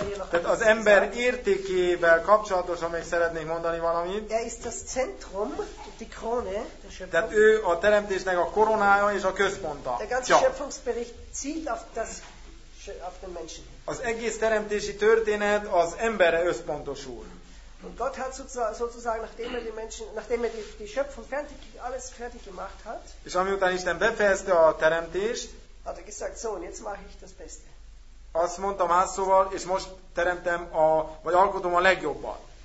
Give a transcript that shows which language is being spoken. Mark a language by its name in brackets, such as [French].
[Hungarian] Tehát az ember értékével kapcsolatosan még szeretnék mondani valamit. [German] Er ist das Zentrum, die Krone. [Hungarian] Tehát ő a teremtésnek a koronája és a központa. [German] Der ganze Schöpfungsbericht zielt auf das, auf den Menschen. [Hungarian] Az egész teremtési történet az emberre összpontosul. [German] Und Gott hat sozusagen, nachdem er die Menschen, nachdem er die Schöpfung fertig, alles fertig gemacht hat. [Hungarian] És amiután Isten befejezte a teremtést. [German] Hat er gesagt, so, und jetzt mache ich das Beste. [Hungarian] Azt mondtam más szóval, és most teremtem a, vagy alkotom a legjobbat.